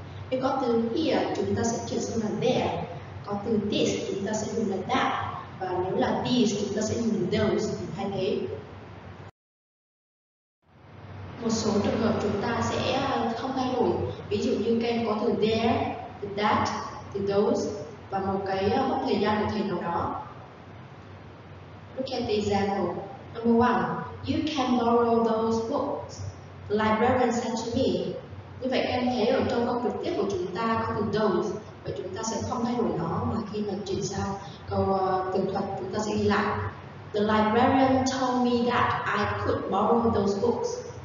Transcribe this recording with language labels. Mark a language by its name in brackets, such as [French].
[Vietnamese] Nếu có từ here chúng ta sẽ chuyển sang là there. Có từ this chúng ta sẽ dùng là that, và nếu là these chúng ta sẽ dùng those thay thế. Một số trường hợp chúng ta sẽ không thay đổi, ví dụ như các em có từ there, từ that, từ those và một cái mốc thời gian cụ thể nào đó. [English] Look at the example. Number one, you can borrow those books, the librarian said to me. [Vietnamese] Như vậy các em thấy ở trong câu trực tiếp của chúng ta có từ those, vậy chúng ta sẽ không thay đổi nó mà khi mà chuyển sang câu tường thuật chúng ta sẽ ghi lại. [English] The librarian told me that I could borrow those books.